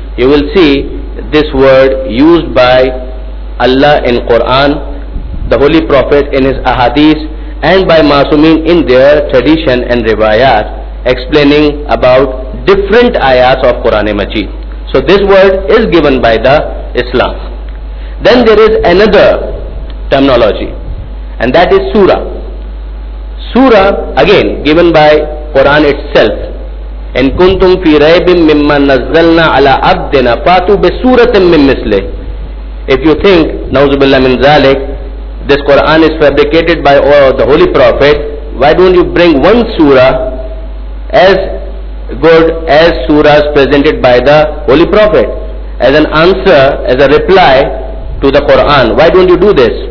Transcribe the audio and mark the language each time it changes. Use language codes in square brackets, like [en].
[en] You will see this word used by Allah in Quran, the Holy Prophet in his Ahadith, and by Masumeen in their tradition and riwayat, explaining about different ayats of Quran and Majid. So this word is given by the Islam. Then there is another terminology, and that is Surah. Surah, again given by Quran itself. [ar] إن كنتم في ريب مما نزلنا على عبدنا فاتوا بسورة من مثله. [en] If you think, [ar] نعوذ بالله من ذلك, [en] this Quran is fabricated by the Holy Prophet, why don't you bring one surah as good as surahs presented by the Holy Prophet as an answer, as a reply to the Quran? Why don't you do this?